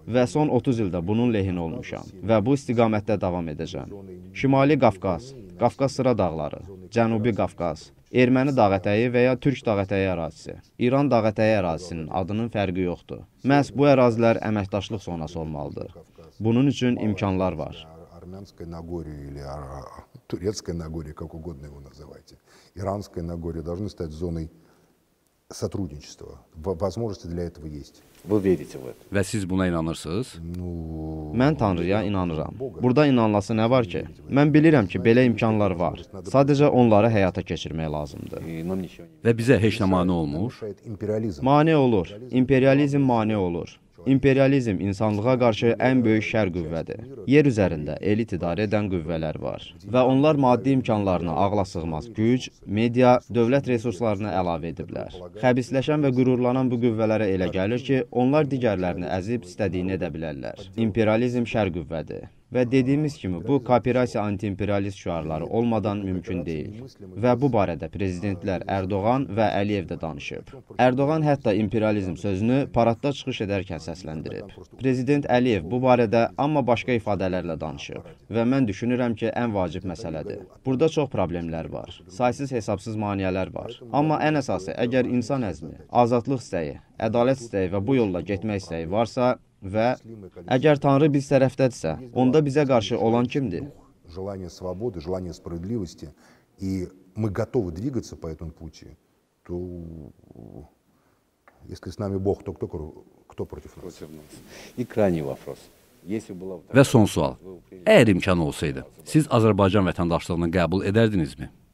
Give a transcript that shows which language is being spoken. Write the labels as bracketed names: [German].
[Azerbaijani] Və son 30 ildə bunun lehin olmuşam və bu istiqamətdə davam edəcəm. Şimali Qafqaz, Qafqaz sıra dağları, Cənubi Qafqaz, Erməni dağətəyi və ya Türk dağətəyi ərazisi, İran dağətəyi ərazisinin adının fərqi yoxdur. Məhz bu ərazilər əməkdaşlıq zonası olmalıdır. Bunun üçün imkanlar var. [Russian] Армянской Нагорье или Турецкой Нагорье, как угодно его называйте, Иранской Нагорье должны стать зоной сотрудничества. Возможности для этого есть. Вы верите в это? [Azerbaijani] Ve siz buna inanırsınız? Mən Tanrıya inanıram. Burada inanılası nə var ki? Mən bilirəm ki, belə imkanlar var. Sadəcə onları həyata keçirmək lazımdır. Ve bizə heç nə mane olmur? Mane olur. İmperializm mane olur. İmperializm insanlığa qarşı ən böyük şər qüvvədir. Yer üzərində elit idarə edən qüvvələr var və onlar maddi imkanlarını ağla sığmaz güc, media, dövlət resurslarını əlavə ediblər. Xəbisləşən və qürurlanan bu qüvvələrə elə gəlir ki, onlar digərlərini əzib istədiyini edə bilərlər. İmperializm şər qüvvədir. Və dediyimiz kimi, bu kooperasiya anti-imperialist şüarları olmadan mümkün deyil. Və bu barədə prezidentlər Erdoğan və Əliyev də danışıb. Erdoğan hətta imperializm sözünü paradda çıxış edərkən səsləndirib. Prezident Əliyev bu barədə amma başqa ifadələrlə danışıb. Və mən düşünürəm ki, ən vacib məsələdir. Burada çox problemlər var. Saysız hesabsız maniyələr var. Amma ən əsası, əgər insan əzmi, azadlıq istəyi, ədalət istəyi və bu yolla getmək istəyi varsa, və əgər Tanrı biz tərəfdədirsə, onda bizə qarşı olan kimdir? [Russian] Желание свободы, желание справедливости, и мы готовы двигаться по этому пути, то если с нами Бог, то кто против нас? И крайний вопрос. [Azerbaijani] Və son sual. Əgər imkan olsaydı, siz Azərbaycan vətəndaşlığını qəbul edərdinizmi?